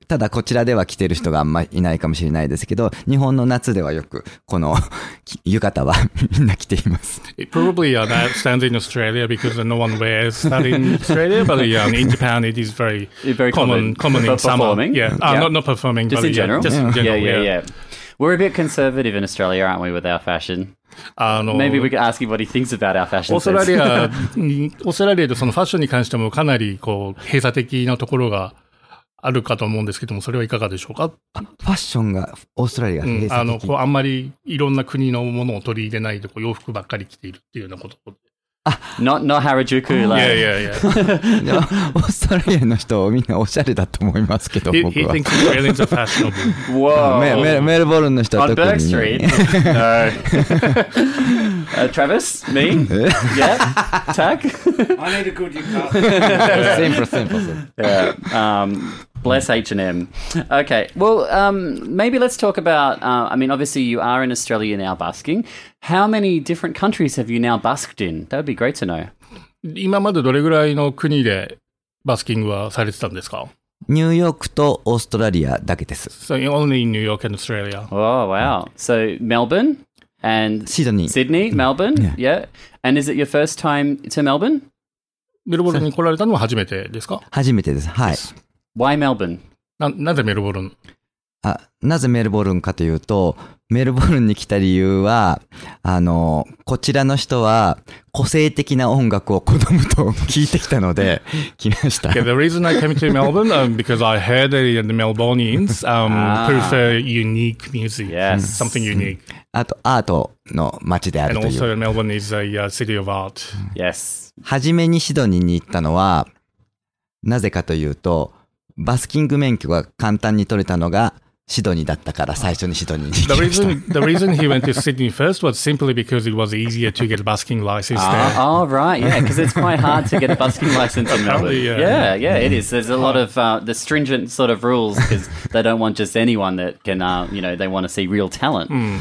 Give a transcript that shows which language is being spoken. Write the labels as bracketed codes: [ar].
[ja] ただこちらでは着てる人があんまいないかもしれないですけど、日本の夏ではよくこの浴衣はみんな着ています。 [en] It probably stands in Australia because no one wears that in Australia, but in Japan it is very, very common in summer. Yeah. Not performing, just but in general. Yeah, just in general. Yeah. We're a bit conservative in Australia, aren't we, with our fashion? Maybe we could ask him what he thinks about our fashion sense. [ja] Australia, そのファッションに関してもかなりこう閉鎖的なところがあるかと思うんですけども、それはいかがでしょうか？ファッションがオーストラリア閉鎖的、こうあんまりいろんな国のものを取り入れないで、こう洋服ばっかり着ているっていうようなこと。 [en] Not Harajuku, like. Yeah, yeah, yeah. [ja] Australia の人みんなおしゃれだと思いますけど、僕は。 [en] He thinks Australians are fashionable. Whoa. [ja] メルボルンの人は特に。 [en] On Bourke Street? No. Travis? Me? Yeah? Tak? I need a good yukata. Simple. Bless H&M. Okay. Well, maybe let's talk about, I mean, obviously you are in Australia now busking. How many different countries have you now busked in? That would be great to know. [ja] 今までどれぐらいの国でバスキングはされてたんですか？ニューヨークとオーストラリアだけです。 [en] So only in New York and Australia. Oh, wow. So Melbourne and Sydney. Sydney, Melbourne, yeah. And is it your first time to Melbourne? [ja] メルボルンに来られたのは初めてですか？初めてです。はい。 [en] Why Melbourne? [ja] なぜメルボルン？なぜメルボルンかというと、メルボルンに来た理由は、こちらの人は個性的な音楽を好むと聞いてきたので来ました。 [en] Yeah, the reason I came to Melbourne because I heard that the Melbournians prefer unique music. Yes. Something unique. [ja] あと、アートの街であるという。 [en] And also Melbourne is a city of art. Yes. [ja] 初めにシドニーに行ったのは、なぜかというと、バスキング免許が簡単に取れたのがシドニーだったから最初にシドニーに行きました。 [en] The reason he went to Sydney first was simply because it was easier to get a busking license there. Oh, right, yeah, because it's quite hard to get a busking license in Melbourne. Yeah, it is. There's a lot of the stringent sort of rules because they don't want just anyone that can, they want to see real talent.